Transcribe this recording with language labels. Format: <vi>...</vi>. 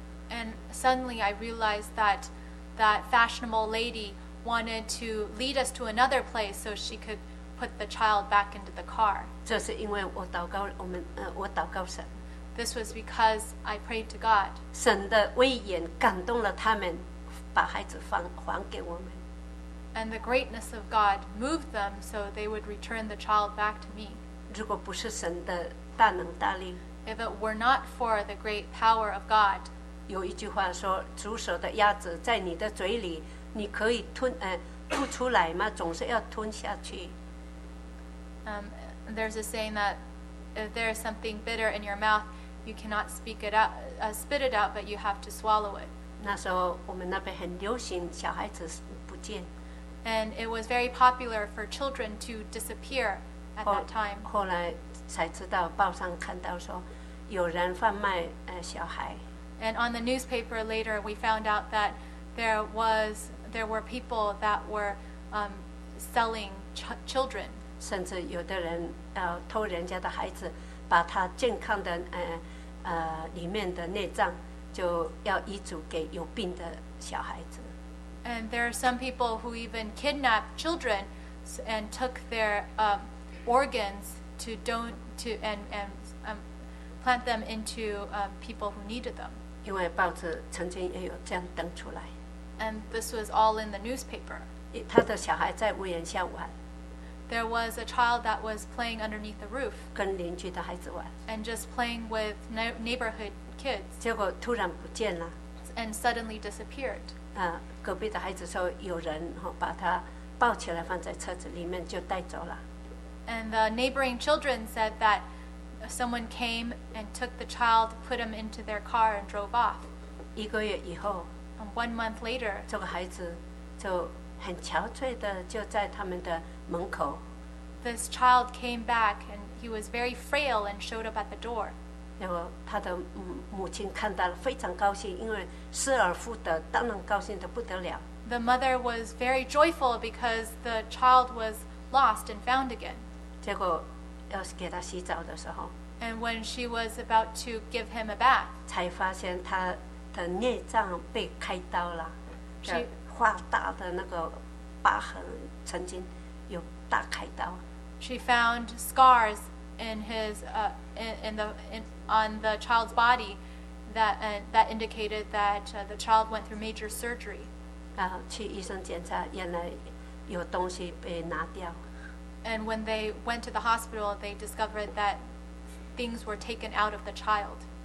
<en>And suddenly I realized that fashionable lady wanted to lead us to another place so she could put the child back into the car.</en> <zh>这是因为我祷告，我祷告神。</zh> <en>This was because I prayed to God.</en> <zh>神的威严感动了他们，把孩子还给我们。</zh> <en>And the greatness of God moved them so they would return the child back to me.</en> <zh>如果不是神的大能大力，</zh> <en>If it were not for the great power of God,</en> <zh>有一句话说，煮熟的鸭子在你的嘴里，你可以吐出来嘛，总是要吞下去。</zh> <en>There's a saying that if there is something bitter in your mouth, you cannot spit it out, but you have to swallow it.</en> <zh>那时候我们那边很流行小孩子不见。</zh> <en>And it was very popular for children to disappear at that time.</en> <zh>后来才知道报上看到说有人贩卖小孩。</zh> <en>And on the newspaper later, we found out that there were people that were selling children.</en> <zh>甚至有的人偷人家的孩子，把他健康的里面的内脏就要移植给有病的小孩子。</zh> <en>And there are some people who even kidnapped children and took their organs to plant them into people who needed them.</en> <zh>因为报纸曾经也有这样登出来。</zh> <en>And this was all in the newspaper.</en> <zh>他的小孩在屋檐下玩。</zh> <en>There was a child that was playing underneath the roof.</en> <zh>跟邻居的孩子玩。</zh> <en>And just playing with neighborhood kids.</en> <zh>结果突然不见了。</zh> <en>And suddenly disappeared.</en> <zh>隔壁的孩子说有人把他抱起来放在车子里面就带走了。</zh> <en>And the neighboring children said that someone came and took the child, put him into their car and drove off.</en> <zh>一个月以后。</zh> <en>And 1 month later.</en> <zh>这个孩子就很憔悴的就在他们的门口。</zh> <en>This child came back and he was very frail and showed up at the door.</en> <zh>然后他的母亲看到了非常高兴，因为失而复得，当然高兴得不得了。</zh> <en>The mother was very joyful because the child was lost and found again.</en> <zh>结果要给他洗澡的时候。</zh> <en>And when she was about to give him a bath.</en> <zh>才发现他的内脏被开刀了。</zh> <en>She,</en> <zh>画大的那个疤痕曾经有大开刀。</zh> <en>She found scars in his, on the child's body that indicated that the child went through major surgery.</en> <zh>去医生检查，原来有东西被拿掉。</zh> <en>And when they went to the hospital, they discovered that things were taken out of the child.</en>